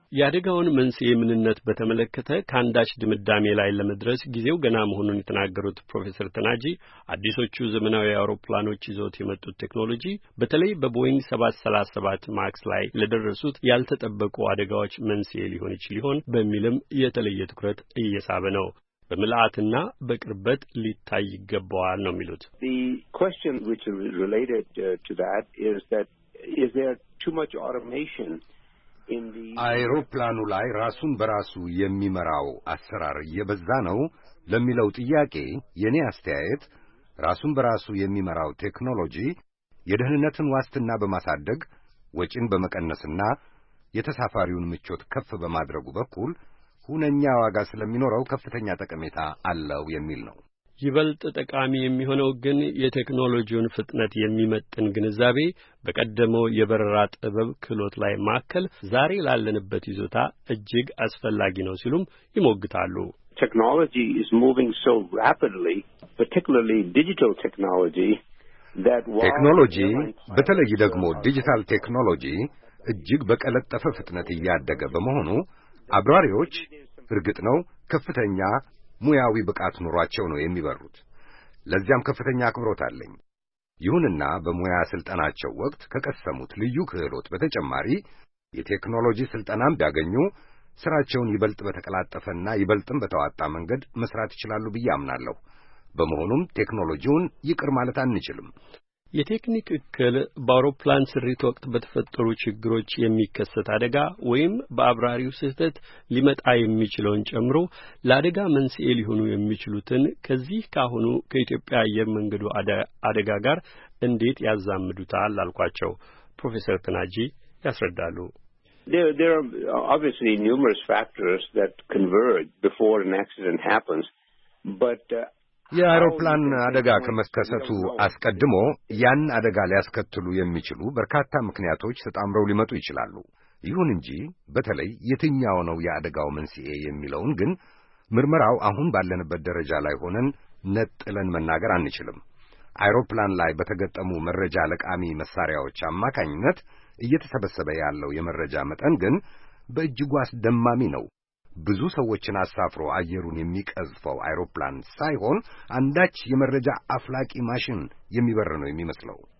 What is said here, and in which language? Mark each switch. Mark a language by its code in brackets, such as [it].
[am] የአደጋውን መንስኤ ምንነት በተመለከተ ካንዳች ድምዳሜ ላይ ለመድረስ ጊዜው ገና መሆኑን የተናገሩት ፕሮፌሰር ተናጂ አዲሶቹ ዘመናዊ አውሮፕላኖች ይዘውት የመጡት ቴክኖሎጂ በተለይ በቦይንግ 737 ማክስ ላይ ለደረሱት ያልተጠበቁ አደጋዎች መንስኤ ሊሆን ይችላል ይሆን በሚልም የተለየ ትኩረት እየሳበ ነው። በመላእክትና በቅርበት ሊታይ ይገባዋል ነው የሚሉት። [en] The question which is related to that is that is there too much automation? [am] አይሮፕላኑ ላይ ራሱን በራሱ የሚመራው አሰራር የበዛ ነው ለሚለው ጥያቄ የኔ አስተያየት ራሱን በራሱ የሚመራው ቴክኖሎጂ የደህንነትን ዋስትና በማሳደግ ወጪን በመቀነስና የተሳፋሪውን ምቾት ከፍ በማድረጉ በኩል ሁነኛ ዋጋ ስለሚኖረው ከፍተኛ ጠቀሜታ አለው የሚል ነው። ይበልጥ ጠቃሚ የሚሆነው ግን የቴክኖሎጂውን ፍጥነት የሚመጥን ግንዛቤ በቀደመው የበረራ ጥበብ ክህሎት ላይ ማከል ዛሬ ላለንበት ይዞታ እጅግ አስፈላጊ ነው ሲሉም ይሞግታሉ። [en] Technology is moving so rapidly, particularly digital technology, that while [am] technology, በተለይ ደግሞ ዲጂታል ቴክኖሎጂ እጅግ በቀለጠፈ ፍጥነት እያደገ በመሆኑ አብራሪዎች እርግጥ ነው ከፍተኛ ሙያዊ ብቃት ኑሯቸው ነው የሚበሩት። ለዚያም ከፍተኛ አክብሮት አለኝ። ይሁንና በሙያ ስልጠናቸው ወቅት ከቀሰሙት ልዩ ክህሎት በተጨማሪ የቴክኖሎጂ ስልጠናም ቢያገኙ ስራቸውን ይበልጥ በተቀላጠፈና ይበልጥም በተዋጣ መንገድ መስራት ይችላሉ ብዬ አምናለሁ። በመሆኑም ቴክኖሎጂውን ይቅር ማለት አንችልም። የቴክኒክ እክል በአውሮፕላን ስሪት ወቅት በተፈጠሩ ችግሮች የሚከሰት አደጋ ወይም በአብራሪው ስህተት ሊመጣ የሚችልን ጨምሮ ለአደጋ መንስኤ ሊሆኑ የሚችሉትን ከዚህ ካሁኑ ከኢትዮጵያ አየር መንገዱ አደጋ ጋር እንዴት ያዛምዱታል አልኳቸው። ፕሮፌሰር ተናጂ ያስረዳሉ። [en] There are obviously numerous factors that converge before an accident happens, but [am] የአውሮፕላን አደጋ ከመከሰቱ አስቀድሞ ያን አደጋ ሊያስከትሉ የሚችሉ በርካታ ምክንያቶች ተጣምረው ሊመጡ ይችላሉ። ይሁን እንጂ በተለይ የትኛው ነው የአደጋው መንስኤ የሚለውን ግን ምርመራው አሁን ባለንበት ደረጃ ላይ ሆነን ነጥለን መናገር አንችልም። አውሮፕላን ላይ በተገጠሙ መረጃ ለቃሚ መሳሪያዎች አማካኝነት እየተሰበሰበ ያለው የመረጃ መጠን ግን በእጅጉ አስደማሚ ነው። ብዙ ሰዎችን አሳፍሮ አየሩን የሚቀዝፈው አውሮፕላን ሳይሆን አንዳች የመረጃ አፍላቂ ማሽን የሚበር ነው የሚመስለው።